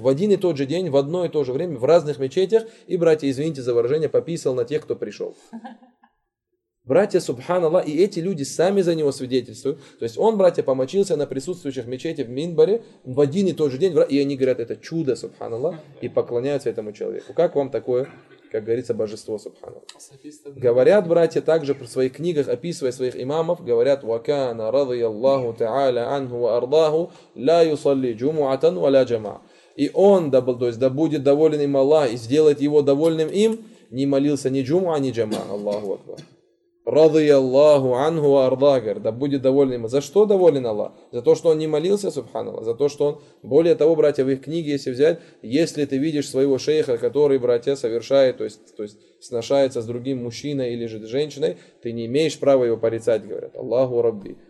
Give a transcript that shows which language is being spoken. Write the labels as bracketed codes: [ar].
[ru] В один и тот же день, в одно и то же время, в разных мечетях. И, братья, извините за выражение, пописал на тех, кто пришел. Братья, субханаллах, и эти люди сами за него свидетельствуют. То есть он, братья, помочился на присутствующих мечети в Минбаре в один и тот же день. И они говорят, это чудо, субханаллах, и поклоняются этому человеку. Как вам такое, как говорится, божество, субханаллах? Говорят братья также в своих книгах, описывая своих имамов, говорят, [ar] وَكَانَ رَضِيَ اللَّهُ تَعَالَى عَنْهُ وَأَرْضَاهُ لَا يُصَلِّ جُمُعَةً وَلَا جَمَعَ. [ru] И он, то есть, да будет доволен им Аллах и сделает его довольным им, не молился ни джума, ни джама. Аллаху Акбар. Радия Аллаху анху ардагар. Да будет доволен им. За что доволен Аллах? За то, что он не молился, субханаллах. За то, что он... Более того, братья, в их книге, если взять, если ты видишь своего шейха, который, братья, совершает, то есть сношается с другим мужчиной или же женщиной, ты не имеешь права его порицать, говорят. Аллаху Рабби.